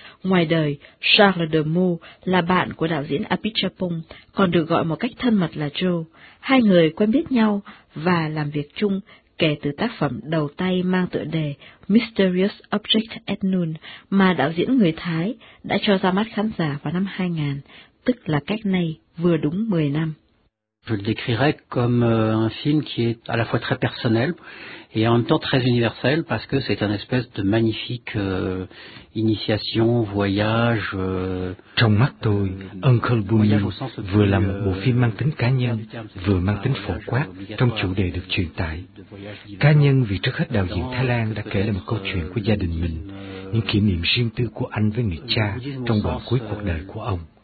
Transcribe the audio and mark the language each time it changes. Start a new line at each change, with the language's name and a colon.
Vietnamese: Ngoài đời, Charles Demeaux là bạn của đạo diễn Apichatpong, còn được gọi một cách thân mật là Joe. Hai người quen biết nhau và làm việc chung kể từ tác phẩm đầu tay mang tựa đề Mysterious Object at Noon mà đạo diễn người Thái đã cho ra mắt khán giả vào năm 2000, tức là cách nay vừa đúng 10 năm.
French: Je le décrirais comme un film qui est à la fois très personnel et en même temps très universel parce que c'est une espèce de magnifique initiation, voyage.
Vietnamese: Trong mắt tôi, Uncle Bunmi vừa là một bộ phim mang tính cá nhân, vừa mang tính phổ quát trong chủ đề được truyền tải. Cá nhân vì trước hết đạo diễn Thái Lan đã kể lại một câu chuyện của gia đình mình, những kỷ niệm riêng tư của anh với người cha trong đoạn cuối cuộc đời của ông.